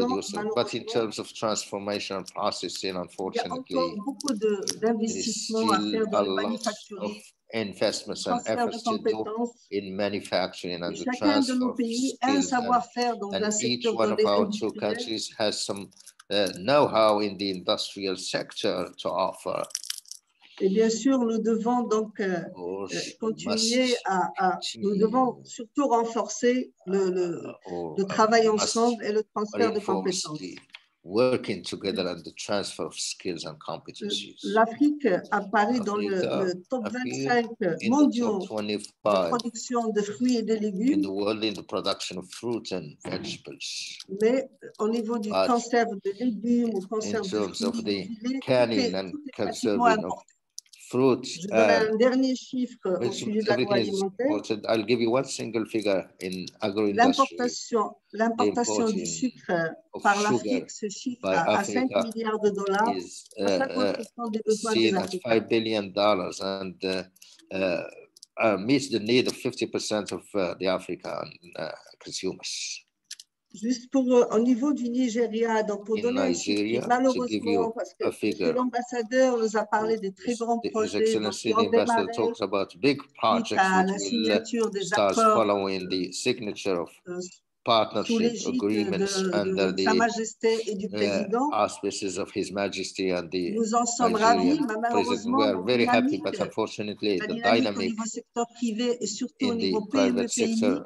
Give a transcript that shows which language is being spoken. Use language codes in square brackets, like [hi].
[en] producer, but in terms of transformation and processing unfortunately [fr] il y a beaucoup d'investissements à faire dans la manufacture [en] investments and efforts to do in manufacturing and the transfer of skills and each one of our two countries has some know-how in the industrial sector to offer. [fr] Et bien sûr, nous devons donc continuer à nous devons surtout renforcer le travail ensemble et le transfert de compétences. [en] working together on the transfer of skills and competencies. [fr] L'Afrique apparaît dans le top 25 mondial de production de fruits et de légumes. [en] In the world in the production of fruits and vegetables. [fr] Mais au niveau du conserve de légumes ou conserve de fruits, [en] of the canning and conserving of fruits. [fr] Dernier chiffre au sujet de l'agro alimentaire. [en] I'll give you one single figure in agro-industry. [fr] L'importation du sucre par l'Afrique se chiffre à 5 milliards de dollars. [en] $5 billion and meets the need of 50% of the African consumers. [fr] Juste pour au niveau du Nigeria, donc pour donner un chiffre, malheureusement, parce que l'ambassadeur nous a parlé des très grands projets, donc il en démarrait, [en] talks about big projects, [fr] à la signature des accords, [en] following the signature of partnership agreements under the auspices of His Majesty and the President. We are very happy, but unfortunately, the dynamic in the private sector